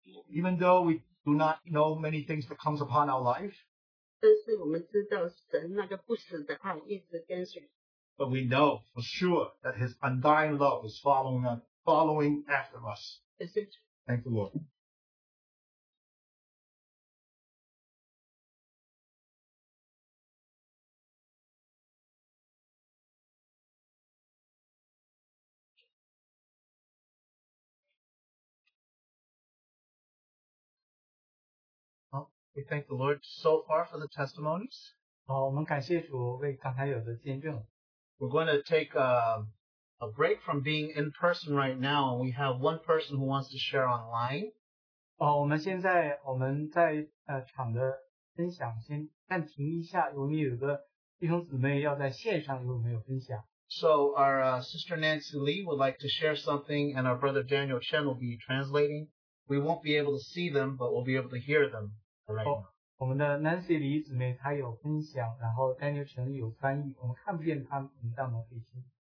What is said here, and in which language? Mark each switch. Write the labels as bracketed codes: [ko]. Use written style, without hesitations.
[en] even though we do not know many things that comes upon our life, [zh] 但是我们知道神那个不死的爱一直跟随, [en] but we know for sure that His undying love is following us, following after us. Thank the Lord. Well, we thank the Lord so far for the testimonies. We're going to take a break from being in person right now, and we have one person who wants to share online. [zh] 我们现在我们在场的分享先暂停一下，我们有个弟兄姊妹要在线上有没有分享？ [en] So our sister Nancy Lee would like to share something, and our brother Daniel Chen will be translating. We won't be able to see them, but we'll be able to hear them right now. [zh] 我们的Nancy Lee姊妹她有分享, 然后Daniel Chen有翻译, 我们看遍他们频道的背景。